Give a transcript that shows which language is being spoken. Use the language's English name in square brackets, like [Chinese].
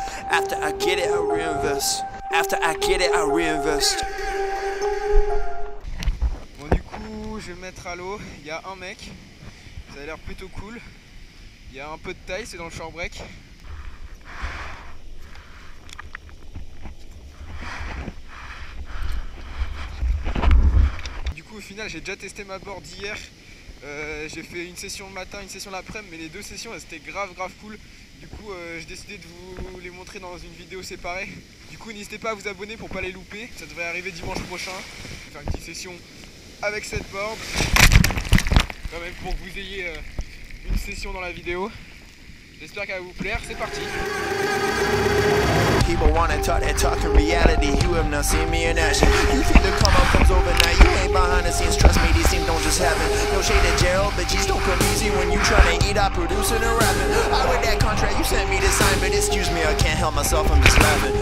[English] After I get it, I reinvest. After I get it, I reinvest. [French] Bon du coup, je vais me mettre à l'eau. Il y a un mec. Ça a l'air plutôt cool. Il y a un peu de taille, c'est dans le short break. Du coup, au final, j'ai déjà testé ma board hier. J'ai fait une session le matin, une session l'après-midi, mais les deux sessions elles étaient grave grave cool. Du coup j'ai décidé de vous les montrer dans une vidéo séparée. Du coup n'hésitez pas à vous abonner pour pas les louper, ça devrait arriver dimanche prochain. Je vais faire une petite session avec cette board quand même pour que vous ayez une session dans la vidéo. J'espère qu'elle va vous plaire, c'est parti. [English] People wanna talk, they're talking reality. You have not seen me in action. You think the karma comes overnight, you ain't behind the scenes. Trust me, these things don't just happen. No shade to Gerald, but G's don't come easy. When you tryna eat, I produce and a rapping. I read that contract you sent me to sign, but excuse me, I can't help myself, I'm just laughing.